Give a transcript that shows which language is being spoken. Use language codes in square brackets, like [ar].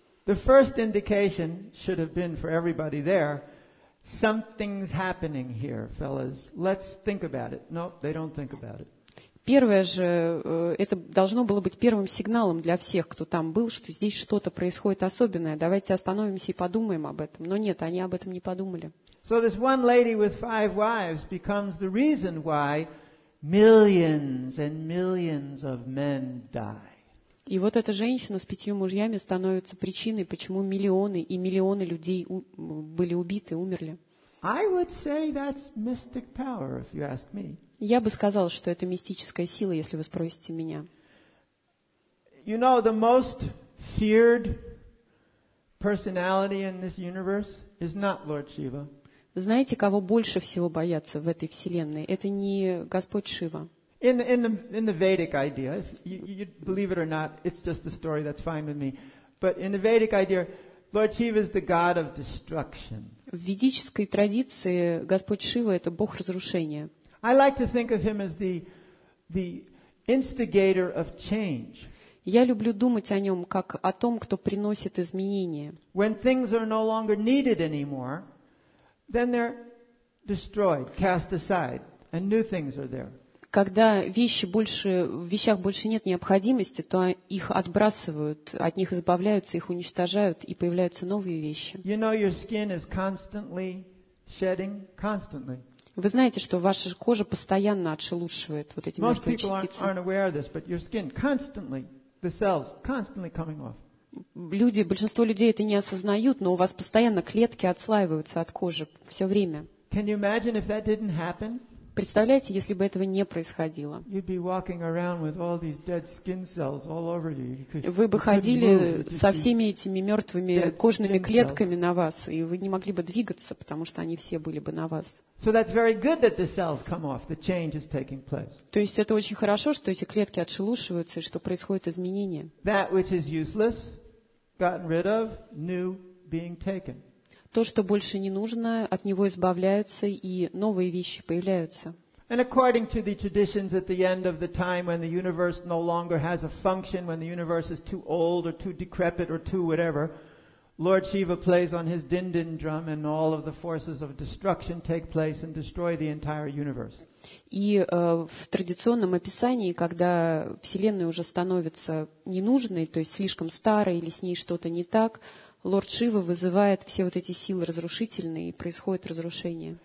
[en] The first indication should have been for everybody there. Something's happening here, fellas. Let's think about it. No, they don't think about it. [ru] Первое же, это должно было быть первым сигналом для всех, кто там был, что здесь что-то происходит особенное. Давайте остановимся и подумаем об этом. Но нет, они об этом не подумали. [en] So this one lady with five wives becomes the reason why Millions and millions of men die. [ru] И вот эта женщина с пятью мужьями становится причиной, почему миллионы и миллионы людей были убиты, умерли. [en] I would say that's mystic power, if you ask me. [ru] Я бы сказал, что это мистическая сила, если вы спросите меня. [en] You know, the most feared personality in this universe is not Lord Shiva. [ru] Знаете, кого больше всего боятся в этой вселенной? Это не Господь Шива. [en] In the Vedic idea, if you believe it or not, it's just a story, that's fine with me. But in the Vedic idea, Lord Shiva is the god of destruction. [ru] В ведической традиции Господь Шива — это бог разрушения. [en] I like to think of him as the instigator of change. [ru] Я люблю думать о нем как о том, кто приносит изменения. [en] When things are no longer needed anymore, then they're destroyed, cast aside, and new things are there. [ru] Когда в вещах больше нет необходимости, то их отбрасывают, от них избавляются, их уничтожают, и появляются новые вещи. [en] You know, your skin is constantly shedding, constantly. [ru] Вы знаете, что ваша кожа постоянно отшелушивает вот эти мертвые частицы. [en] Most people aren't aware of this, but your skin constantly, the cells constantly coming off. [ru] Люди, большинство людей это не осознают, но у вас постоянно клетки отслаиваются от кожи все время. [en] Can you imagine if that didn't happen? [ru] Представляете, если бы этого не происходило? [en] You'd be walking around with all these dead skin cells all over you. [ru] Вы бы ходили со всеми этими мертвыми кожными клетками на вас, и вы не могли бы двигаться, потому что они все были бы на вас. [en] So that's very good that the cells come off. The change is taking place. [ru] То есть это очень хорошо, что эти клетки отшелушиваются и что происходят изменения. [en] That which is useless, gotten rid of, new being taken. [ru] То, что больше не нужно, от него избавляются, и новые вещи появляются. [en] And according to the traditions, at the end of the time, when the universe no longer has a function, when the universe is too old or too decrepit or too whatever, Lord Shiva plays on his din-din drum, and all of the forces of destruction take place and destroy the entire universe. [ru] И в традиционном описании, когда Вселенная уже становится ненужной, то есть слишком старой или с ней что-то не так, Лорд Шива вызывает все вот эти силы разрушительные, и происходит разрушение.